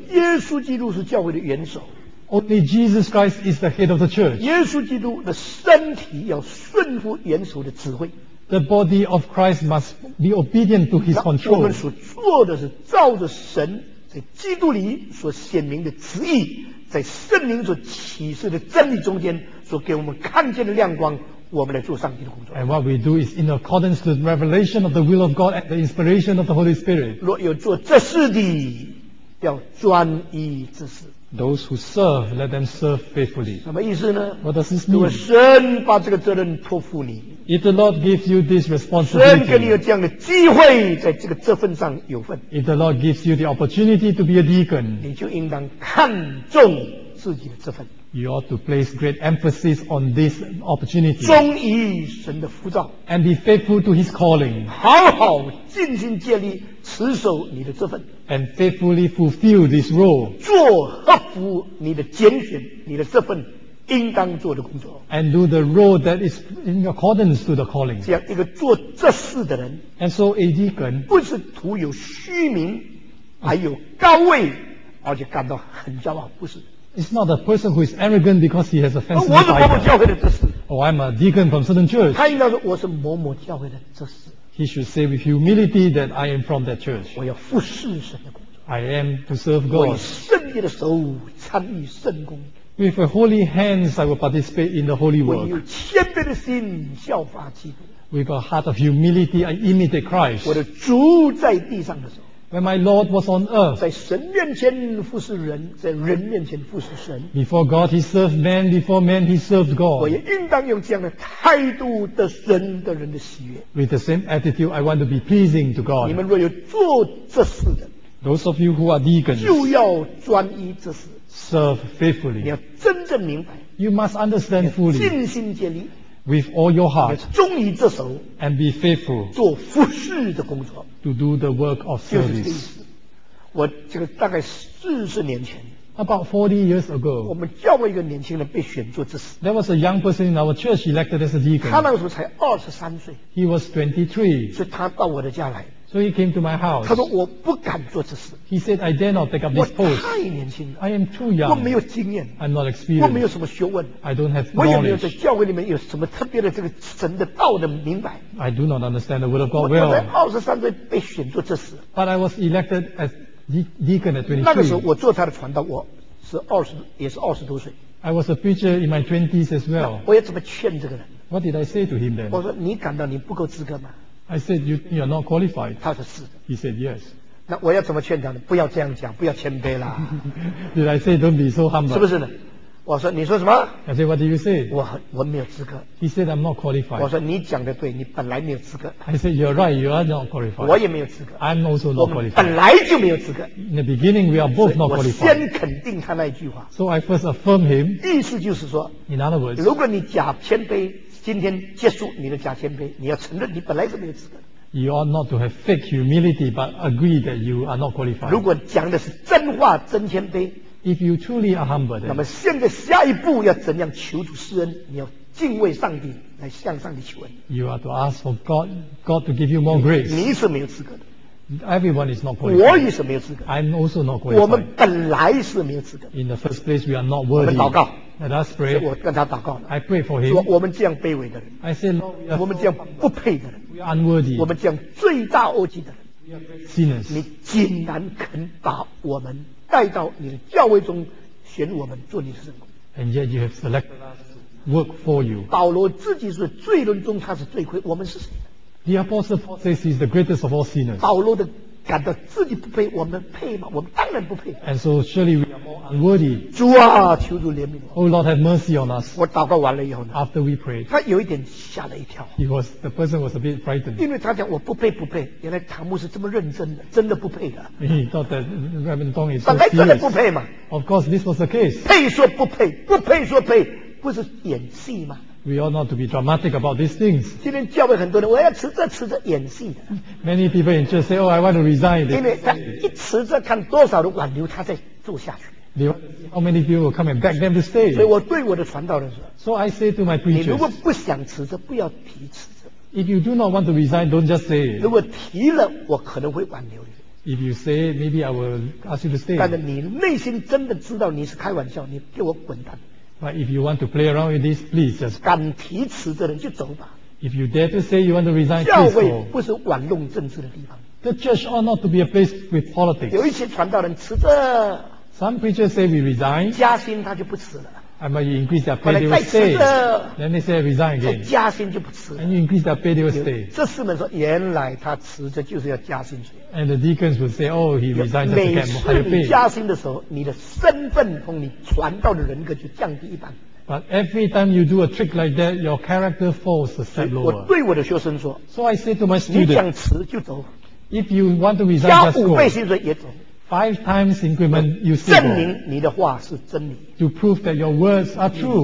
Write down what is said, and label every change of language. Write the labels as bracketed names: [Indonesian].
[Chinese] 耶稣基督是教会的元首 [English] ，Only Jesus Christ is the head of the church. [Chinese] 耶稣基督的身体要顺服元首的指挥 [English] ，The body of Christ must be obedient to His control. [Chinese] 我们所做的是照着神在基督里所显明的旨意。在圣灵所启示的真理中间所给我们看见的亮光我们来做上帝的工作 [English] and what we do is in accordance to the revelation of the will of God and the inspiration of the Holy Spirit [Chinese] 若有做这事的要专一致事 [English] those who serve let them serve faithfully [Chinese] 什么意思呢 [English] what does this mean [Chinese] 如果神把这个责任托付你 [English] if the Lord gives you this responsibility [Chinese] 神给你有这样的机会在这个这份上有份 [English] if the Lord gives you the opportunity to be a deacon [Chinese] 你就应当看重自己的这份 [English] you ought to place great emphasis on this opportunity [Chinese] 忠于神的呼召 [English] and be faithful to his calling [Chinese] 好好尽心竭力持守你的这份 [English] and faithfully fulfill this role [Chinese] 做合乎你的拣选你的这份应当做的工作 [English] and do the role that is in accordance to the calling [Chinese] 这样一个做这事的人 [English] and so a deacon [Chinese] 不是徒有虚名还有高位而且感到很骄傲不是 [English] It's not a person who is arrogant because he has a fancy title. [Chinese] 我是某某教会的执事。 [English] Oh, I'm a deacon from certain church. [Chinese] 他应该说我是某某教会的执事。 [English] He should say with humility that I am from that church. [Chinese] 我要服侍神的工作。 [English] I am to serve God. [Chinese] 我以圣洁的手参与圣工。 [English] With a holy hands, I will participate in the holy work. [Chinese] 我有谦卑的心效法基督。 [English] With a heart of humility, I imitate Christ. [Chinese] 我的主在地上的时候。 [English] When my Lord was on earth, [Chinese] 在神面前服侍人，在人面前服侍神。 [English] Before God, he served man. Before man, he served God. [Chinese] 我也应当用这样的态度得神的人的喜悦。 [English] With the same attitude, I want to be pleasing to God. [Chinese] 你们若有做这事的 [English] ，Those of you who are deacons, [Chinese] 就要专一这事。 [English] Serve faithfully. [Chinese] 你要真正明白。 [English] You must understand fully. [Chinese] 尽心竭力。 [English] With all your heart, [Chinese] 忠于这手 [English] and be faithful, [Chinese] 做服侍的工作 [English] to do the work of service. [Chinese] 就是这意思。我这个大概四十年前 [English] about 40 years ago, [Chinese] 我们教会一个年轻人被选做执事 [English] There was a young person in our church elected as a deacon. [Chinese] 他那个时候才23岁 [English] He was 23. [Chinese] 所以他到我的家来 [English] So he came to my house. [Chinese] 他说我不敢做执事 [English] He said, I dare not take up this post. [Chinese] 我太年轻了 [English] I am too young. [Chinese] 我没有经验 [English] I'm not experienced. [Chinese] 我没有什么学问 [English] I don't have knowledge. [Chinese] 我也没有在教会里面有什么特别的这个神的道的明白 [English] I do not understand the word of God well. [Chinese] 我才23岁被选做执事 [English] But I was elected as deacon at 23. [Chinese] 那个时候我做他的传道我是也是二十多岁 [English] I was a preacher in my 20s as well. [Chinese] 我要怎么劝这个人 [English] What did I say to him then? [Chinese] 我说你感到你不够资格吗 [English] I said, you are not qualified. [Chinese] 他说是的。 [English] He said, yes. [Chinese] 那我要怎么劝他呢？不要这样讲，不要谦卑啦。 [English] Did I say, don't be so humble? [Chinese] 是不是呢？我说，你说什么？ [English] I said, what do you say? [Chinese] 我没有资格。 [English] He said, I'm not qualified. [Chinese] 我说，你讲的对，你本来没有资格。 [English] I said, you're right, you are not qualified. [Chinese] 我也没有资格。 [English] I'm also not qualified. [Chinese] 本来就没有资格。 [English] In the beginning, we are both not qualified. [Chinese] 我先肯定他那一句话。 [English] So I first affirm him. [Chinese] 意思就是说 [English] ，In other words, [Chinese] 如果你假谦卑。今天结束你的假谦卑，你要承认你本来是没有资格。 [English] You ought not to have fake humility, but agree that you are not qualified. [Chinese] 如果讲的是真话、真谦卑 [English] ，If you truly are humble, then, [Chinese] 那么现在下一步要怎样求主施恩？你要敬畏上帝，来向上帝求恩。 [English] You are to ask for God to give you more grace. [Chinese] 你是没有资格的。 [English] Everyone is not qualified. [Chinese] 我也是没有资格。 [English] I'm also not qualified. [Chinese] 我们本来是没有资格。 [English] In the first place, we are not worthy. [Chinese] 我们祷告。 [English] Let us pray. [Chinese] 我跟他祷告了。 [English] I pray for him. [Chinese] 说我们这样卑微的人。 [English] I say, Lord, [Chinese] 我们这样不配的人。 [English] We are unworthy. [Chinese] 我们这样罪大恶极的人。 [English] Sinners. [Chinese] 你竟然肯把我们带到你的教会中，选我们做你的圣工。 [English] And yet you have selected us to work for you. [Chinese] 保罗自己是罪人中他是罪魁，我们是谁？ [English] The apostle Paul says he's the greatest of all sinners. [Chinese] 保罗的感到自己不配，我们配吗？我们当然不配。 [English] And so surely we are more unworthy. [Chinese] 主啊，求主怜悯我。 [English] Oh Lord, have mercy on us. [Chinese] 我祷告完了以后呢， [English] After we prayed, [Chinese] 他有一点吓了一跳。 [English] The person was a bit frightened. [Chinese] 因为他讲我不配不配，原来唐牧是这么认真的，真的不配的。 [English] He thought that Reverend Dong is so serious. [Chinese] 本来真的不配嘛。 [English] Of course, this was the case. [Chinese] 配说不配，不配说配，不是演戏吗？ [English] We ought not to be dramatic about these things. [Chinese] 今天教会很多人，我要辞职，辞职演戏的。 [English] Many people in church say, "Oh, I want to resign." [Chinese] 因为他一辞职，看多少人挽留他再做下去。 [English] How many people will come and beg them to stay? [Chinese] 所以我对我的传道人说 [English] ，So I say to my preachers, [Chinese] 你如果不想辞职，不要提辞职。 [English] If you do not want to resign, don't just say. [Chinese] 如果提了，我可能会挽留你。 [English] If you say, maybe I will ask you to stay. [Chinese] 但是你内心真的知道你是开玩笑，你给我滚蛋。 [English] But if you want to play around with this, please just. [Chinese] 敢提辞职的人就走吧。 [English] If you dare to say you want to resign, please go. [Chinese] 教会不是玩弄政治的地方。 [English] The church ought not to be a place with politics. [Chinese] 有一些传道人辞职。 [English] Some preachers say we resign. [Chinese] 加薪他就不辞了。 [English] I might increase their pay, they will stay. Then they say resign again. [Chinese] 加薪就不辞了。 [English] And you increase their pay, they will stay. [Chinese] 这四门说，原来他辞职就是要加薪水。 [English] And the deacons will say, oh, he resigned to get more pay. [Chinese] 每次你加薪的时候，你的身份和你传道的人格就降低一半。 [English] But every time you do a trick like that, your character falls a step lower. [Chinese] 我对我的学生说， [English] so I say to my student, [Chinese] 你想辞就走。 [English] If you want to resign, just go. [Chinese] 加五倍薪水也走。 [English] Five times increment, you say. [Chinese] 证明你的话是真理。 [English] To prove that your words are true.